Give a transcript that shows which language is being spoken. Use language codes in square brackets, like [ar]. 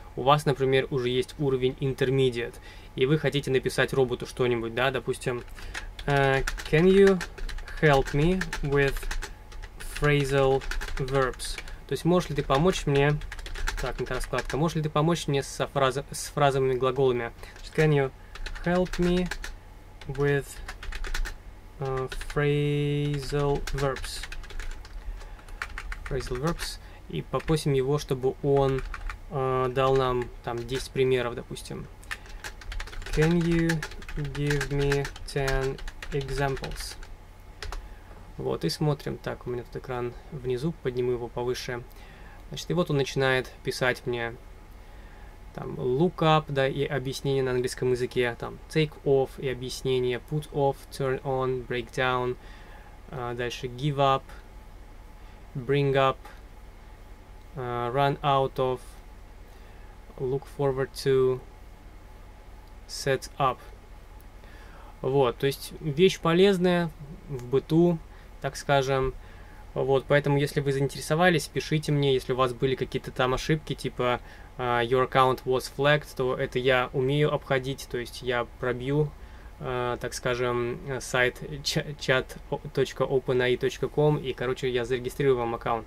[ru] У вас, например, уже есть уровень intermediate, и вы хотите написать роботу что-нибудь, да, допустим, [en] can you help me with phrasal verbs? [ru] То есть можешь ли ты помочь мне, так, это раскладка, можешь ли ты помочь мне с фразовыми глаголами? [en] Can you help me with phrasal verbs? Phrasal verbs. [ru] И попросим его, чтобы он дал нам там 10 примеров, допустим. [en] Can you give me 10 examples? [ru] Вот, и смотрим. Так, у меня тут экран внизу, подниму его повыше. Значит, и вот он начинает писать мне там look up, да, и объяснение на английском языке, там take off и объяснение, put off, turn on, break down, дальше give up, bring up, run out of, look forward to, set up. Вот, то есть вещь полезная в быту, так скажем. Вот, поэтому если вы заинтересовались, пишите мне. Если у вас были какие-то там ошибки, типа [en] your account was flagged, [ru] то это я умею обходить, то есть я пробью, так скажем, сайт chat.openai.com, и, короче, я зарегистрирую вам аккаунт.